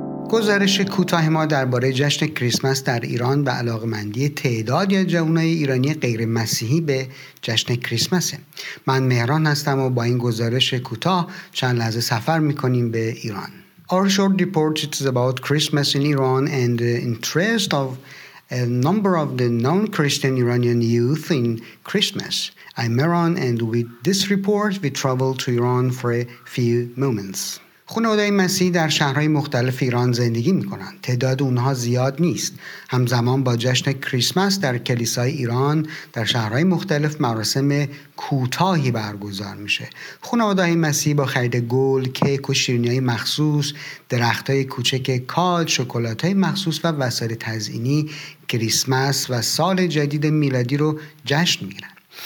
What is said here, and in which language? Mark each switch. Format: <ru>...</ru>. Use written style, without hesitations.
<fa>گزارش کوتاه ما درباره جشن کریسمس در ایران و علاقمندی تعداد یا جوانای ایرانی غیر مسیحی به جشن کریسمس. من مهران هستم و با این گزارش کوتاه چند لحظه سفر میکنیم به ایران.</fa> <en>Our short report is about Christmas in Iran and the interest of a number of the non-Christian Iranian youth in Christmas. I'm Mehran and with this report we travel to Iran for a few moments.</en> <fa>خانواده مسیحی در شهرهای مختلف ایران زندگی میکنند. تعداد اونها زیاد نیست. همزمان با جشن کریسمس در کلیسای ایران در شهرهای مختلف مراسم کوتاهی برگزار میشه. خانواده مسیحی با خرید گل، کیک و شیرینی‌های مخصوص، درخت‌های کوچک کال، شکلات‌های مخصوص و وسایل تزئینی کریسمس و سال جدید میلادی رو جشن میگیرند.</fa>